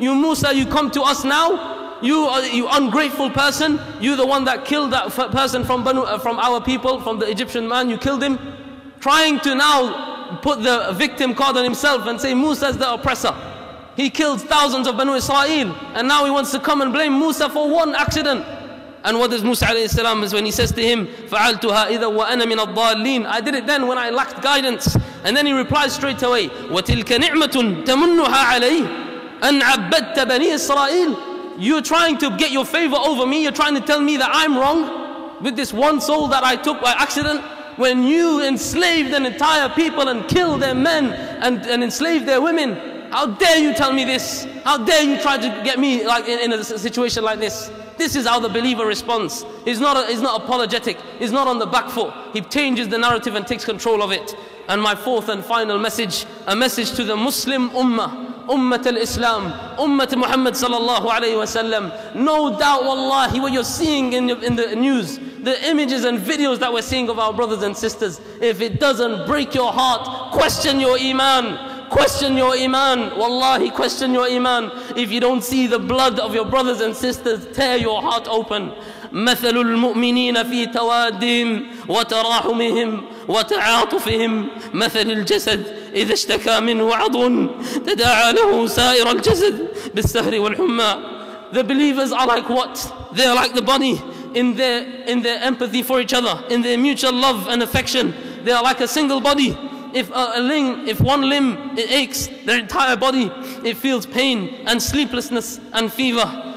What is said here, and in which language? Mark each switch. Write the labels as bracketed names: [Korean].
[English] You Musa, you come to us now, you ungrateful person, you the one that killed that person from our people, from the Egyptian man, you killed him, trying to now put the victim card on himself and say Musa's the oppressor. He killed thousands of Banu Israel, and now he wants to come and blame Musa for one accident. And what does Musa alayhi salam is when he says to him, [Arabic] فَعَلْتُهَا إِذَا وَأَنَا مِنَ الضَّالِّينَ. [English] I did it then when I lacked guidance. And then he replies straight away, [Arabic] وَتِلْكَ نِعْمَةٌ تَمُنُّهَا عَلَيْهِ أَنْ عَبَّدْتَ بَنِي إِسْرَائِيلِ. [English] You're trying to get your favor over me. You're trying to tell me that I'm wrong with this one soul that I took by accident, when you enslaved an entire people and killed their men and enslaved their women. How dare you tell me this? How dare you try to get me like in a situation like this? This is how the believer responds. He's not apologetic. He's not on the back foot. He changes the narrative and takes control of it. And my fourth and final message, a message to the Muslim Ummah, Ummat al-Islam, Ummat Muhammad sallallahu alayhi wa sallam. No doubt, wallahi, what you're seeing in the news, the images and videos that we're seeing of our brothers and sisters, if it doesn't break your heart, question your iman. Question your iman. Wallahi, question your iman. If you don't see the blood of your brothers and sisters, tear your heart open. [Arabic] مثل المؤمنين في توادهم وتراحمهم وتعاطفهم مثل الجسد إذا اشتكى منه عضو تداعى له سائر الجسد بالسهر والحمى. [English] The believers are like what? They're like the bunny in their empathy for each other, in their mutual love and affection. They are like a single body. If one limb, it aches, their entire body, it feels pain and sleeplessness and fever.